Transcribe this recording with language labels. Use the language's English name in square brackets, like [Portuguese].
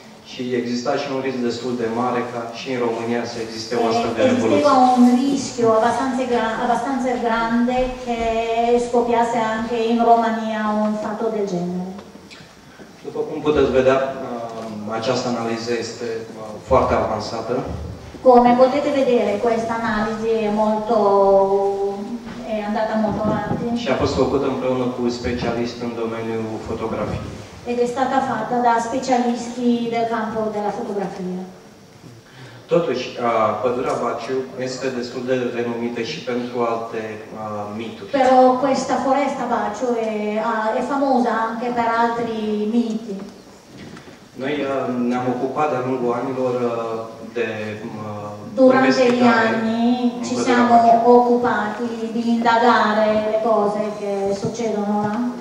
[Romanian] Și exista și un risc destul de mare ca și în România să existe o astfel de revoluție. [Italian] Exista un risc abastanza grande che scoppiasse anche in Romania un fatto del genere. [Romanian] După cum puteți vedea, această analiză este foarte avansată. [Italian] Come potete vedere, questa analisi è andata molto avanti. [Romanian] Și a fost făcută împreună cu specialiști în domeniul fotografiei. [Italian] Ed è stata fatta da specialisti del campo della fotografia. [Romanian] Totuși, pădurea Baciu este destul de renumită și pentru alte mituri. [Italian] Però questa foresta Baciu è famosa anche per altri miti. [Romanian] Noi ne-am ocupat de-a lungul anilor de [Italian] durante gli anni ci siamo occupati di indagare le cose che succedono là.